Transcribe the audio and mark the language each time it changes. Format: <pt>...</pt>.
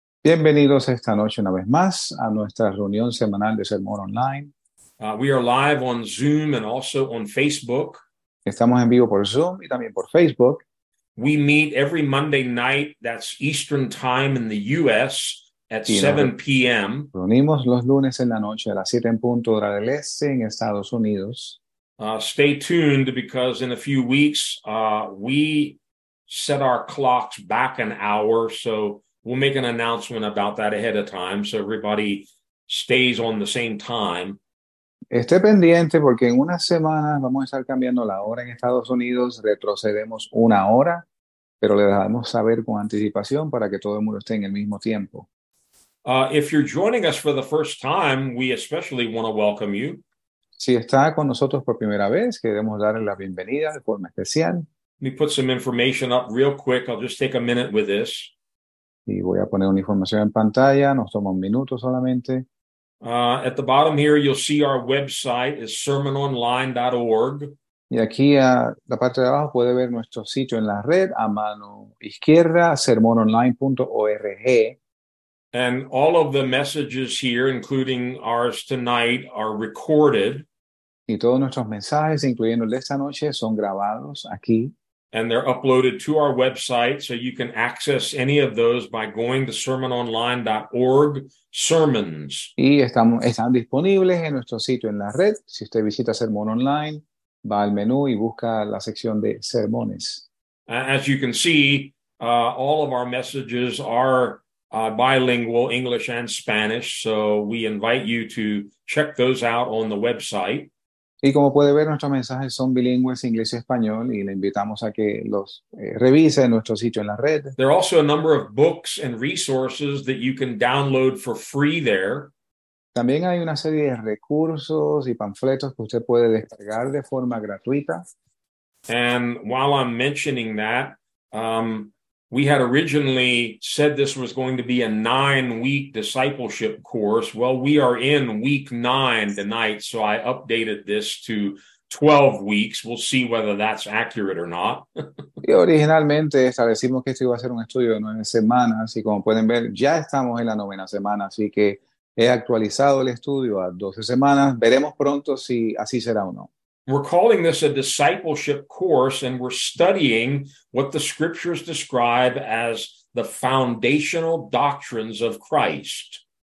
<es>Bienvenidos esta noche una vez más a nuestra reunión semanal de Sermón Online.</es> <en>We are live on Zoom and also on Facebook.</en> <es>Estamos en vivo por Zoom y también por Facebook.</es> <en>We meet every Monday night, that's Eastern time in the U.S., at 7 p.m.</en> <es>Reunimos los lunes en la noche a las 7 en punto hora del este en Estados Unidos.</es> <en>Stay tuned because in a few weeks we set our clocks back an hour, so we'll make an announcement about that ahead of time so everybody stays on the same time.</en> <es>Esté pendiente porque en unas semanas vamos a estar cambiando la hora en Estados Unidos, retrocedemos una hora, pero le dejamos saber con anticipación para que todo el mundo esté en el mismo tiempo.</es> <en>If you're joining us for the first time, we especially want to welcome you.</en> <es>Si está con nosotros por primera vez, queremos darle la bienvenida de forma especial.</es> <en>Let me put some information up real quick. I'll just take a minute with this.</en> <es>Y voy a poner una información en pantalla. Nos toma un minuto solamente.</es> <en>At the bottom here, you'll see our website is sermononline.org.</en> <es>Y aquí a la parte de abajo puede ver nuestro sitio en la red a mano izquierda, sermononline.org.</es> <en>And all of the messages here, including ours tonight, are recorded.</en> <es>Y todos nuestros mensajes, incluyendo el de esta noche, son grabados aquí.</es> <en>And they're uploaded to our website, so you can access any of those by going to sermononline.org, sermons.</en> <es>Y están disponibles en nuestro sitio en la red. Si usted visita Sermón Online, va al menú y busca la sección de sermones.</es> <en>As you can see, all of our messages are bilingual, English and Spanish, so we invite you to check those out on the website.</en> <es>Y como puede ver, nuestros mensajes son bilingües, inglés y español, y le invitamos a que los revise en nuestro sitio en la red.</es> <en>There are also a number of books and resources that you can download for free there.</en> <es>También hay una serie de recursos y panfletos que usted puede descargar de forma gratuita.</es> <en>And while I'm mentioning that, we had originally said this was going to be a 9-week discipleship course. Well, we are in week 9 tonight, so I updated this to 12 weeks. We'll see whether that's accurate or not.</en> <es>Y originalmente establecimos que esto iba a ser un estudio de 9 semanas, y como pueden ver, ya estamos en la novena semana, así que he actualizado el estudio a 12 semanas. Veremos pronto si así será o no.</es> <en>We're calling this a discipleship course, and we're studying what the scriptures describe as the foundational doctrines of Christ.</en>